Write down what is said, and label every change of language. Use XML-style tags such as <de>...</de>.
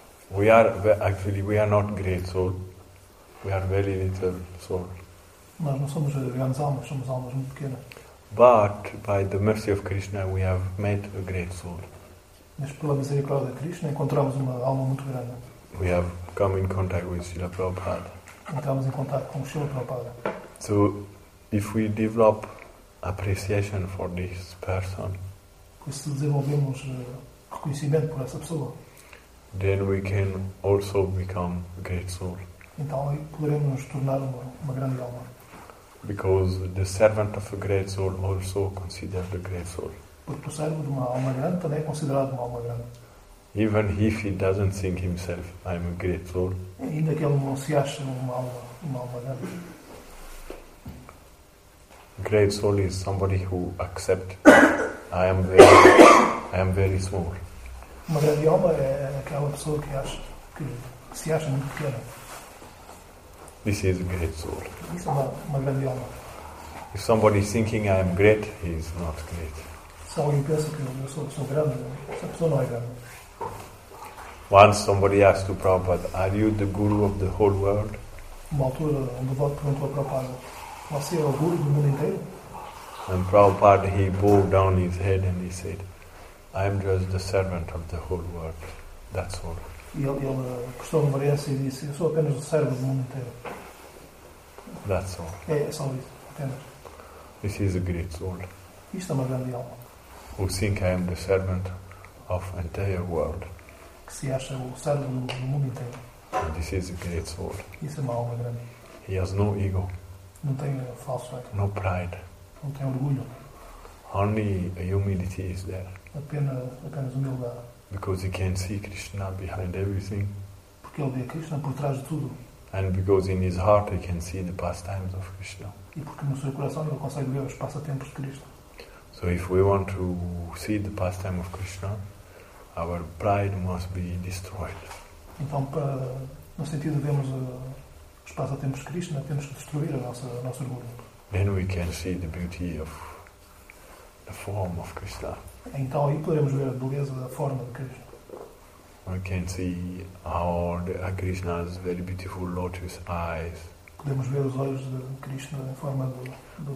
<en>We are actually we are not great soul. We are very little soul.</en> <pt>Nós não somos grandes almas, somos almas muito pequenas.</pt> <en>But by the mercy of Krishna, we have met a great soul.</en> <pt>Mas pela misericórdia de Krishna encontramos uma alma muito grande.</pt> <en>We have come in contact with Srila Prabhupada.</en> <pt>Entramos em contato com Srila Prabhupada.</pt> <en>So, if we develop appreciation for this person,</en> <pt>se desenvolvemos reconhecimento por essa pessoa,</pt> <en>then we can also become a great soul.</en> <pt>Então poderemos tornar uma grande alma.</pt> <en>Because the servant of a great soul also considered a great soul.</en> <pt>Porque o servo de uma alma grande também é considerado uma alma grande.</pt> <en>Even if he doesn't think himself, I'm a great soul.</en> <pt>Ainda que ele não se ache uma alma grande.</pt> <en>Great soul is somebody who accepts I am very small.</en> <pt>Uma grande alma é aquela pessoa que acha que se acha muito pequena.</pt> <en>This is a great soul.</en> <pt>Isso é uma grande alma.</pt> <en>If somebody is thinking I am great, he is not great.</en> <pt>Se alguém pensa que eu sou grande, essa pessoa não é grande.</pt> <en>Once somebody asked to Prabhupada, are you the guru of the whole world?</en> <pt>Uma altura um devoto perguntou a Prabhupada, você é o guru do mundo inteiro?</pt> <en>And Prabhupada, he bowed down his head and he said, I am just the servant of the whole world. That's all.</en> <pt>E ele custou uma reverência e disse, eu sou apenas o servo do mundo inteiro.</pt> <en>That's all.</en> <pt>É só isso, apenas.</pt> <en>This is a great soul.</en> <pt>Isto é uma grande alma.</pt> <en>Who think I am the servant of the entire world.</en> <pt>Que se acha o servo do mundo inteiro.</pt> <en>And this is a great soul.</en> <pt>Isso é uma alma grande.</pt> <en>He has no ego.</en> <pt>Não tem falso ego.</pt> <en>No pride.</en> <pt>Não tem orgulho.</pt> <en>Only a humility is there.</en> <pt>Apenas humildade.</pt> <en>Because he can see Krishna behind everything.</en> <pt>Porque ele vê Krishna por trás de tudo.</pt> <en>And because in his heart he can see the pastimes of Krishna.</en> <pt>E porque no seu coração ele consegue ver os passatempos de Krishna.</pt> <en>So if we want to see the pastime of Krishna, our pride must be destroyed.</en> <pt>Então, no sentido de vermos os passatempos de Krishna, temos que destruir o nosso orgulho.</pt> <en>Then we can see the beauty of the form of Krishna.</en> <pt>Então aí podemos ver a beleza da forma de Krishna.</pt> <en>We can see how Krishna has very beautiful lotus eyes.</en> <pt>Podemos ver os olhos de Krishna em forma do</pt>